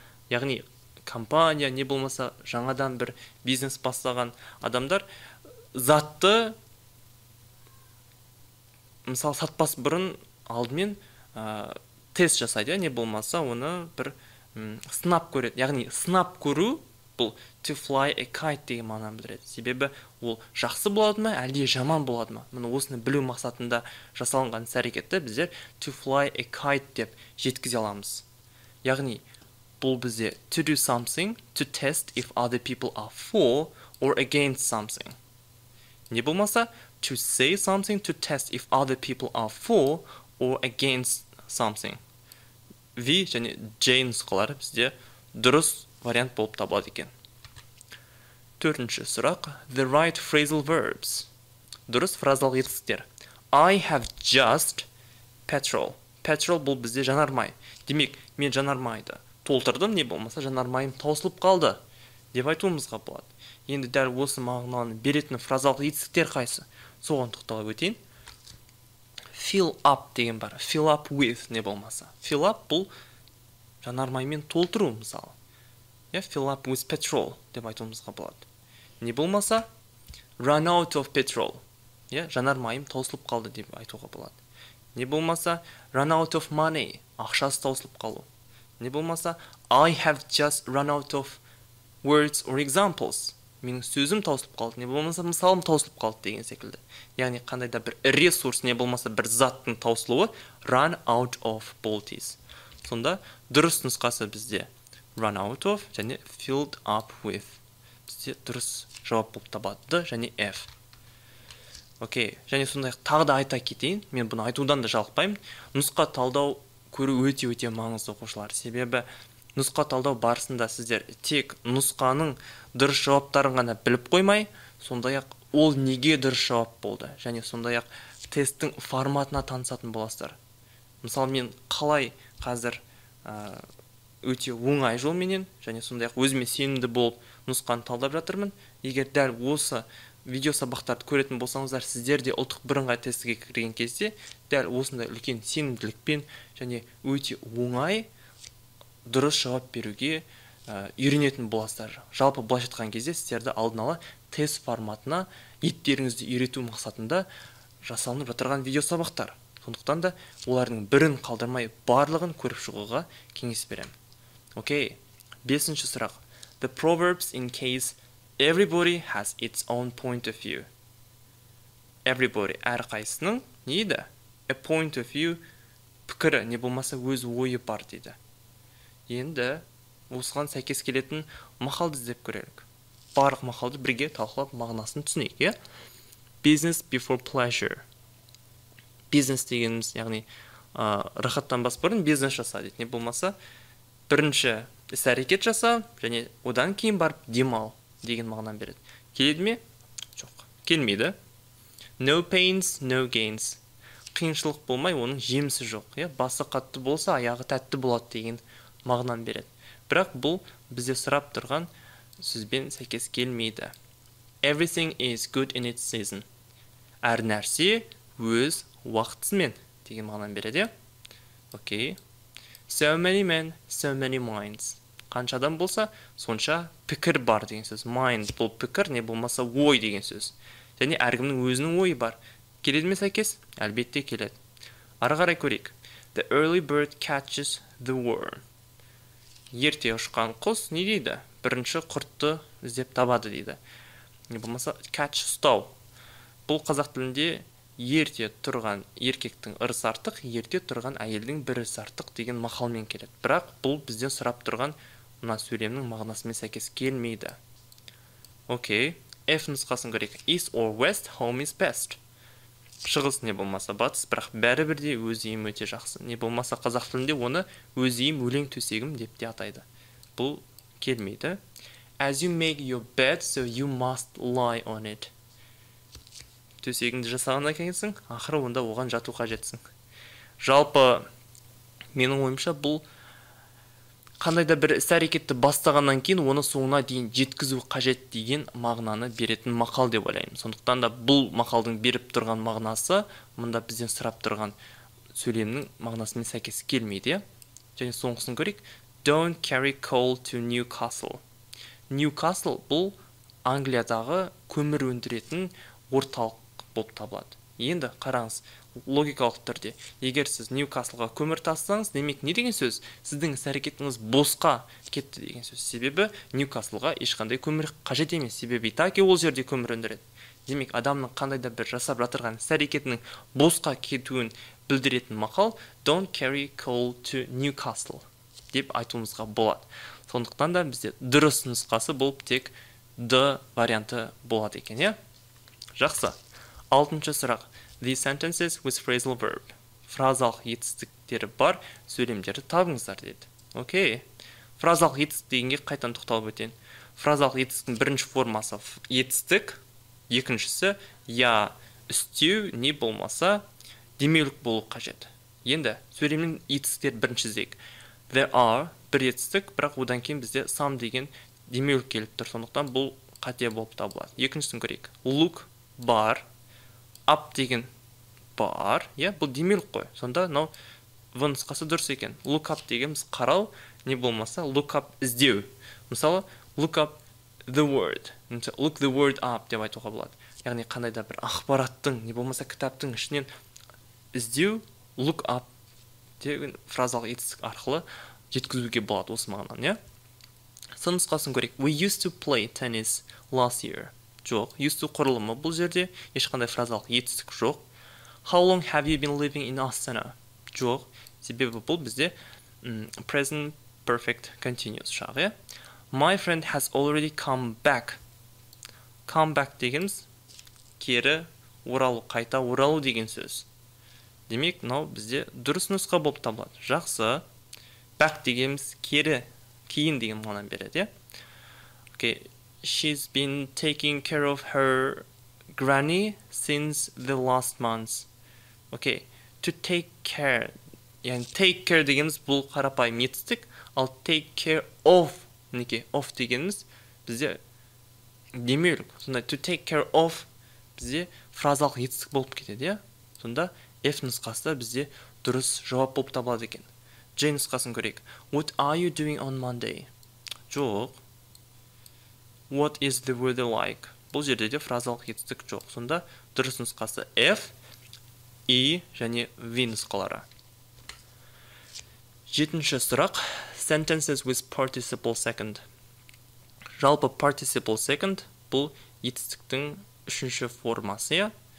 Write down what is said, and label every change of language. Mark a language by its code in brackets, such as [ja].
[kk] Яғни, компания не болмаса жаңадан бір бизнес бастаған адамдар затты мысалы, сатпас бұрын алдымен тест жасайды, не болмаса оны бір сынап көреді. Яғни, сынап көру бұл [en] to fly a kite [kk] деген мағынаны білдіреді. Себебі ол жақсы болады ма, әлде жаман болады ма? Мұны осыны білу мақсатында жасалынған іс-әрекетті біздер [en] to fly a kite [kk] деп жеткізе аламыз. Яғни, бұл бізде [en] to do something, to test if other people are for or against something. [kk] Не болмаса, [en] to say something, to test if other people are for or against something. [kk] Ви және Джейн сұқылары бізде дұрыс вариант болып табылады екен. Төртінші сұрақ, [en] the right phrasal verbs. [kk] Дұрыс фразалық етістіктер. [en] I have just petrol. [kk] Petrol бұл бізде жанармай. Демек, мен жанармайды толтырдым, не болмаса жанармайым таусылып қалды. Деп айтуымызға болады. Енді дәл осы мағынаны беретін фразалық етістіктер қайсы? Соған тоқталып өтейін. [en] Fill up деген бар. Fill up with, [kk] не болмаса. [en] Fill up [kk] бұл жанармаймен толтыру мысалы. [en] Yeah, fill up with petrol [kk] деп айтуымызға болады. Не болмаса, [en] run out of petrol. [kk] Yeah, жанармайым таусылып қалды деп айтуға болады. Не болмаса, [en] run out of money. [kk] Ақшасы таусылып қалу. Не болмаса, [en] I have just run out of words or examples. [kk] Менің сөзім таусылып қалды. Не болмаса, мысалым таусылып қалды деген секілді. Яғни, қандай да бір ресурс, не болмаса, бір заттың таусылуы [en] run out of bullets. [kk] Сонда, дұрыс нұсқасы бізде [en] run out of [kk] және [en] filled up with. [kk] Бізде дұрыс жауап болып табады және F. Окей, және сонда тағы да айта кетейін. Мен бұны айтудан да жалықпаймын. Нұсқа талдау көру өте-өте маңызды оқушылар. Себебі нұсқа талдау барысында сіздер тек нұсқаның дұрыс жауаптарын ғана біліп қоймай, сондай-ақ ол неге дұрыс жауап болды, және сондай-ақ тесттің форматына танысатын боласыздар. Мысалы, мен қалай қазір өте оңай жолменен, және сондай-ақ өзіме сенімді болып нұсқаны талдап жатырмын. Егер дәл осы видео сабақтарды көретін болсаңыздар, сіздер де ұлттық бірыңғай тестіге кірген кезде дәл осындай үлкен сенімділікпен және өте оңай дұрыс жауап беруге үйренетін боласыздар. Жалпы былайша айтқан кезде сіздерді алдын ала тест форматына еттеріңізді үйрету мақсатында жасалынып жатырған видео сабақтар. Сондықтан да олардың бірін қалдырмай барлығын көріп шығуға кеңес беремін. Окей, бесінші сұрақ. [en] The proverbs in case everybody has its own point of view. [kk] Everybody, әрқайсының не дейді? [en] A point of view, [kk] пікірі, не болмаса өз ойы бар дейді. Енді осыған сәйкес келетін мақалды іздеп көрелік. Барлық мақалды бірге талқылап мағынасын түсінейік, иә? [en] Business before pleasure. [kk] Бизнес дегеніміз, яғни, рахаттан бас бұрын бизнес жаса дейді. Не болмаса, бірінші іс-әрекет жаса, және одан кейін барып демал деген мағынан береді. Келеді ме? Жоқ. Келмейді. [en] No pains, no gains. [kk] Қиыншылық болмай, оның жемісі жоқ. Басы қатты болса, аяғы тәтті болады деген мағынан береді. Бірақ бұл бізде сұрап тұрған сөзбен сәйкес келмейді. [en] Everything is good in its season. [kk] Әр нәрсе өз уақытысымен деген мағынан береді. Окей. [en] So many men, so many minds. [kk] Қанша адам болса, сонша пікір бар деген сөз. Mind бұл пікір, не болмаса ой деген сөз. Және әркімнің өзінің ойы бар. Келеді ме сәйкес? Әлбетте келеді. Ары қарай көрейік. [en] The early bird catches the worm. [kk] Ерте ұшқан құс не дейді? Бірінші құртты іздеп табады дейді. Не болмаса catch, ұстау. Бұл қазақ тілінде ерте тұрған еркектің ырысы артық, ерте тұрған әйелдің бір ырысы артық деген мақалмен келеді. Бірақ бұл бізден сұрап тұрған мына сөйлемнің мағынасымен сәйкес келмейді. Окей, F нұсқасын көрейік. [en] East or west, home is best. [kk] Шығыс не болмаса батыс, бірақ бәрі бірде өз үйім өте жақсы. Не болмаса қазақ тілінде оны өз үйім өлең төсегім деп те атайды. Бұл келмейді. [en] As you make your bed, so you must lie on it. [kk] Төсегіңді жасағаннан кейін, ақыры онда оған жату қажетсің. Жалпы, менің ойымша бұл қандай да бір іс-әрекетті бастағаннан кейін оны соңына дейін жеткізу қажет деген мағынаны беретін мақал деп ойлаймын. Сондықтан да бұл мақалдың беріп тұрған мағынасы мында бізден сұрап тұрған сөйлемнің мағынасымен сәйкес келмейді. Және соңғысын көрейік. [en] Don't carry coal to Newcastle. [kk] Newcastle бұл Англиядағы көмір өндіретін орталық болып табылады. Енді қараңыз, логикалық түрде, егер сіз Ньюкаслға көмір тастаңыз, демек не деген сөз? Сіздің әрекетіңіз босқа кетті деген сөз. Себебі Ньюкаслға ешқандай көмір қажет емес. Себебі Итаки ол жерде көмір өндіреді. Демек адамның қандай да бір жасап жатырған әрекетінің босқа кетуін білдіретін мақал [en] Don't carry coal to Newcastle. [kk] деп айтуымызға болады. Сондықтан да бізде дұрыс нұсқасы болып тек D варианты болады екен, е? Жақсы. Алтыншы сұрақ. [en] These sentences with phrasal verb. [kk] Фразалық етістіктері бар, сөйлемдері табыңыздар деді. Окей. Фразалық етістік дегенге қайтан тоқталып өтейін. Фразалық етістіктің бірінші формасы етістік, екіншісі я істеу не болмаса демеулік болу қажет. Енді сөйлемнің етістіктері біріншісіздік. [en] There are [kk] бір етістік, бірақ одан кейін бізде some деген демеулік келіп тұр, сондықтан бұл қате болып табылады. Екіншісін көрейік. Look бар, up деген бар, иә, бұл демеулік қой. Сонда мынау нұсқасы дұрыс екен. [en] Look up [kk] дегеніміз қарау, не болмаса look up іздеу. Мысалы, [en] look up the word. Look the word up [kk] деп айтуға болады. Яғни қандай да бір ақпараттың, не болмаса кітаптың ішінен іздеу, look up деген фразалық етістік арқылы жеткізуге болады осы мағынан, иә? Сын нұсқасын көрейік. [en] We used to play tennis last year. [kk] Жоқ, used to құрылымы бұл жерде, ешқандай фразалық етістік жоқ. [en] How long have you been living in Astana? [kk] Жоқ, себебі бұл бізде present perfect continuous шағы, иә? [en] My friend has already come back. Come back [kk] дегеніміз кері оралу, қайта оралу деген сөз. Демек, мынау бізде дұрыс нұсқа болып табылады. Жақсы. Back дегеніміз кері, кейін деген мағына береді, иә? [en] Okay. She's been taking care of her granny since the last months. Okay. To take care. [kk] Яғни [en] take care [kk] дегеніміз бұл қарапайым етістік, ал [en] take care of [kk] неге? Of дегеніміз бізде демеулік. Сонда [en] to take care of [kk] бізде фразалық етістік болып кетеді, иә? Сонда F нұсқасында бізде дұрыс жауап болып табылады екен. J нұсқасын көрейік. [en] What are you doing on Monday? [kk] Жоқ. [en] What is the weather like? [kk] Бұл жерде де фразалық етістік жоқ. Сонда дұрыс нұсқасы F, E және V нұсқалары. Жетінші сұрақ. [en] Sentences with participle second. [kk] Жалпы participle second бұл етістіктің үшінші формасы, иә?